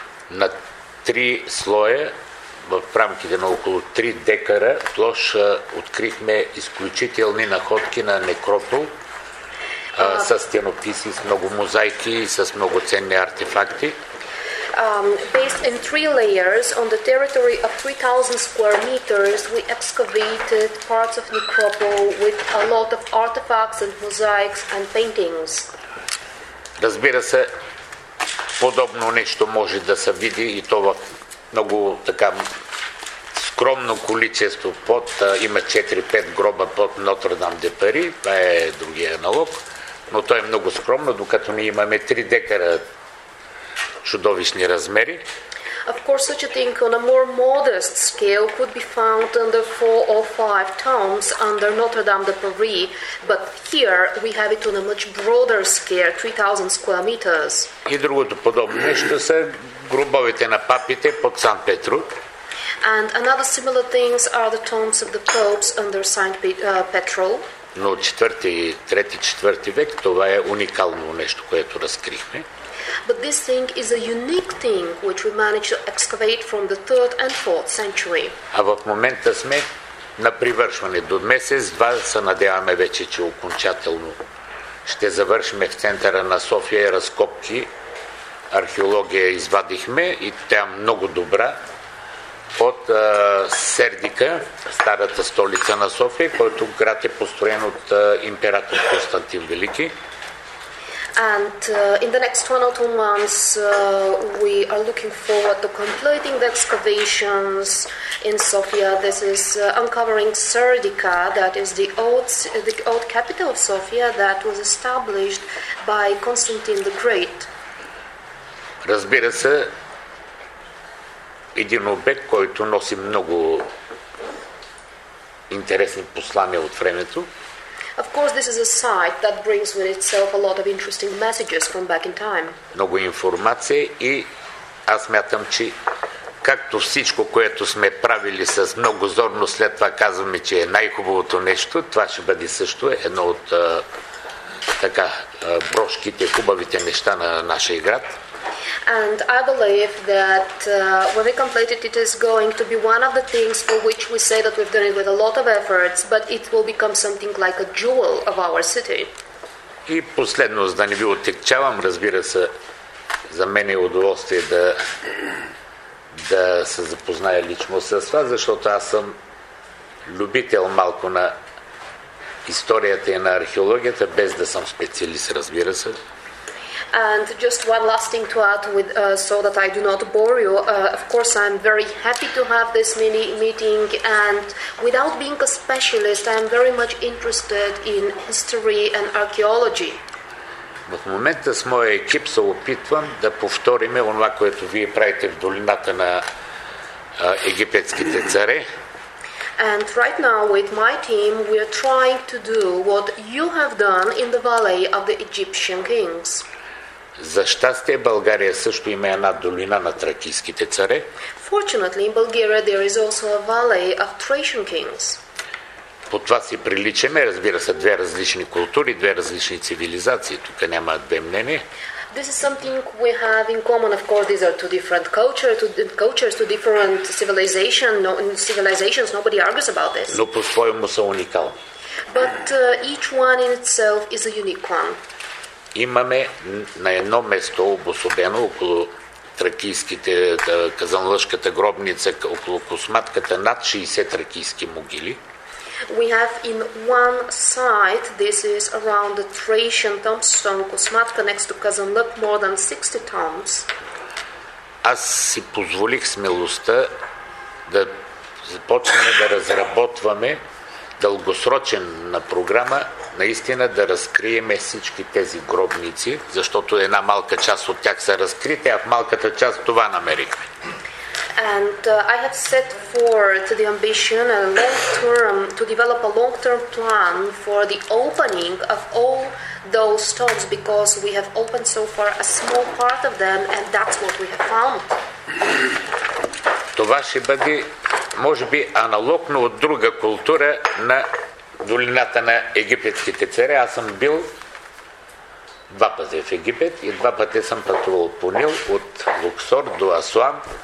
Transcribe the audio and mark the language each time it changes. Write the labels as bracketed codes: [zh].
[bg] На три слоя в рамките на около 3 декара площ открихме изключителни находки на некропол със стенописи, с много мозайки и с много ценни артефакти. [en] Based in 3 layers on the territory of 3000 square meters, we excavated parts of necropol with a lot of artifacts and mosaics and paintings. [bg] Разбира се, подобно нещо може да се види и то в много така огромно количество под, има 4-5 гроба под Нотр-Дам де Пари, това е другия аналог, но той е много скромно, докато ние имаме 3 декара чудовищни размери. [en] Of course, such a thing on a more modest scale could be found under 4 or 5 tombs under Notre-Dame de Paris, but here we have it on a much broader scale, 3,000 square meters. [bg] И другото подобно нещо са гробовете на папите под Сан Петро. [en] And another similar things are the tombs of the popes under Saint Petrol. [bg] Но 3-4 век, това е уникално нещо, което разкрихме. [en] But this thing is a unique thing which we managed to excavate from the 3rd and 4th century. [bg] А в момента сме на привършване. До месец-два се надяваме вече, че окончателно ще завършим в центъра на София разкопки. Археология извадихме и тя много добра. От Сердика, старата столица на София, който град е построен от император Константин Велики. [en] And in the next 1 or 2 months we are looking forward to completing the excavations in Sofia. This is uncovering Serdica, that is the old capital of Sofia that was established by Constantine the Great. [bg] Разбира се, един обект, който носи много интересни послания от времето. [en] Of course, this is a site that brings with itself a lot of interesting messages from back in time. [bg] Много информация и аз смятам, че както всичко, което сме правили с много зорно, след това казваме, че е най-хубавото нещо, това ще бъде също едно от брошките, хубавите неща на нашия град. [en] And I believe that when we complete it, it is going to be one of the things for which we say that we've done it with a lot of efforts, but it will become something like a jewel of our city. [bg] И последно, за да не ви отекчавам, разбира се, за мен е удоволствие да се запозная лично с вас, защото аз съм любител малко на историята и на археологията, без да съм специалист, разбира се. [en] And just one last thing to add with so that I do not bore you. Of course, I'm very happy to have this mini meeting, and without being a specialist, I am very much interested in history and archaeology. [bg] В момента с моя екип се опитвам да повторим онова, което вие правите в долината на египетските царе. [en] And right now with my team we are trying to do what you have done in the valley of the Egyptian kings. [bg] За щастие, България също има една долина на тракийските царе. [en] Fortunately, in Bulgaria there is also a valley of Thracian kings. [bg] По това си приличаме, разбира се, две различни култури, две различни цивилизации. Тук няма две мнения. [en] This is something we have in common. Of course, these are two different cultures, two different civilizations. Nobody argues about this. [bg] Но по-своему са уникални. [en] But each one in itself is a unique one. [bg] Имаме на едно место обособено около тракийските, казанлъжката гробница, около косматката, над 60 тракийски могили. [en] We have in one site, this is around the Thracian tombstone Kosmatka next to Kazanlık, more than 60 tombs. [bg] Аз си позволих смелостта да започнем да разработваме дългосрочен на програма, наистина да разкрием всички тези гробници, защото една малка част от тях са разкрити, а в малката част това намерихме. [en] And I have set forth the ambition and long-term to develop a long-term plan for the opening of all those stones because we have opened so far a small part of them and that's what we have found. [bg] Това ще бъде, може би, аналог, но от друга култура на долината на египетските царе. Аз съм бил два пъти в Египет и два пъти съм пътувал по Нил от Луксор до Асуан.